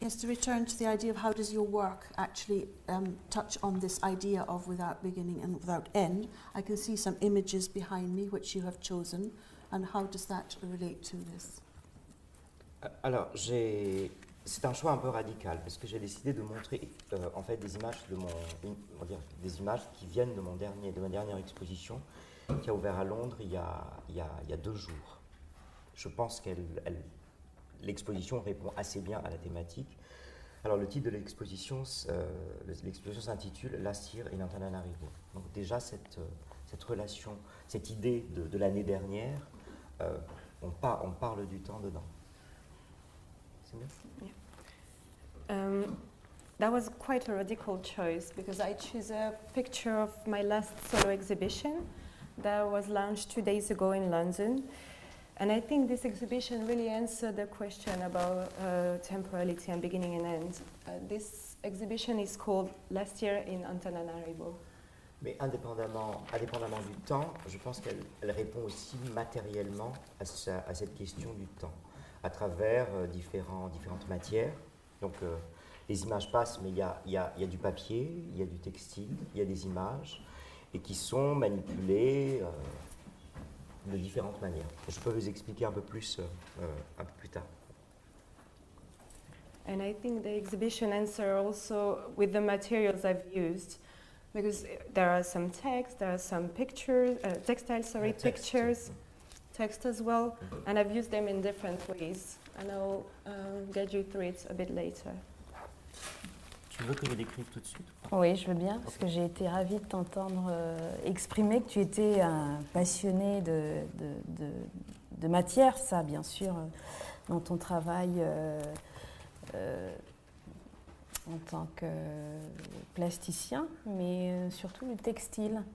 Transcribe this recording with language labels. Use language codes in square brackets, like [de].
[en] Is to return to the idea of how does your work actually touch on this idea of without beginning and without end. I can see some images behind me which you have chosen, and how does that relate to this? [fr] Alors, c'est un choix un peu radical parce que j'ai décidé de montrer en fait des images des images qui viennent de ma dernière exposition qui a ouvert à Londres il y a deux jours. Je pense qu'elle l'exposition répond assez bien à la thématique. Alors, le titre de l'exposition, l'exposition s'intitule « La cire et l'internat arrivé ». Donc déjà, cette relation, cette idée de l'année dernière, on parle du temps dedans. C'est bien ? [en] That was quite a radical choice, because I choose a picture of my last solo exhibition that was launched 2 days ago in London. And I think this exhibition really answered the question about temporality and beginning and end. This exhibition is called Last Year in Antananarivo. [fr] Mais indépendamment du temps, je pense qu'elle répond aussi matériellement à cette question du temps, à travers différentes matières. Donc les images passent, mais il y a du papier, il y a du textile, il y a des images, et qui sont manipulées de différentes manières. Je peux vous expliquer un peu plus un peu plus tard. [en] And I think the exhibition answers also with the materials I've used, because there are some texts, there are some pictures, pictures, text as well, mm-hmm. And I've used them in different ways. And I'll guide you through it a bit later. [fr] Tu veux que je décrive tout de suite ? Oui, je veux bien, parce que j'ai été ravie de t'entendre exprimer que tu étais un passionné de matière, ça, bien sûr, dans ton travail en tant que plasticien, mais surtout le textile.